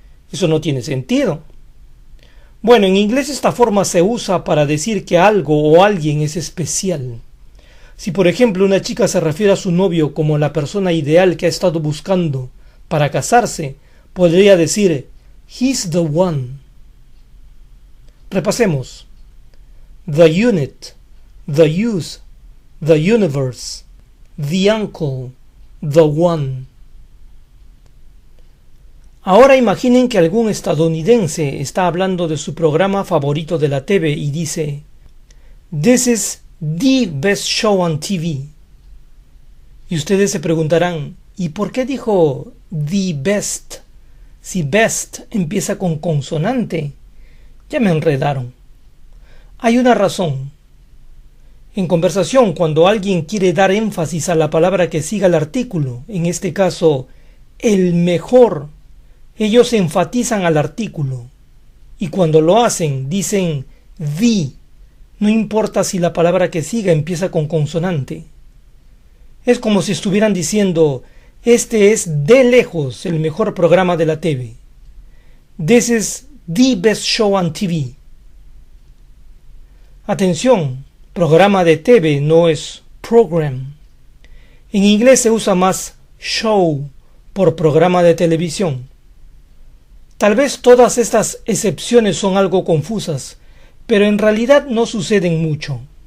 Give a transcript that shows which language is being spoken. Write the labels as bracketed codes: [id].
[es] Eso no tiene sentido. Bueno, en inglés esta forma se usa para decir que algo o alguien es especial. Si por ejemplo una chica se refiere a su novio como la persona ideal que ha estado buscando para casarse, podría decir, [en] he's the one. [es] Repasemos. [en] The unit, the use, the universe, the uncle, the one. [es] Ahora imaginen que algún estadounidense está hablando de su programa favorito de la TV y dice, [en] this is the best show on TV. [es] Y ustedes se preguntarán, ¿y por qué dijo the best si best empieza con consonante? Ya me enredaron. Hay una razón. En conversación, cuando alguien quiere dar énfasis a la palabra que siga el artículo, en este caso, el mejor, ellos enfatizan al artículo. Y cuando lo hacen, dicen the. No importa si la palabra que siga empieza con consonante. Es como si estuvieran diciendo, este es de lejos el mejor programa de la TV. [en] This is the best show on TV. [es] Atención, programa de TV no es program. En inglés se usa más show por programa de televisión. Tal vez todas estas excepciones son algo confusas, pero en realidad no suceden mucho.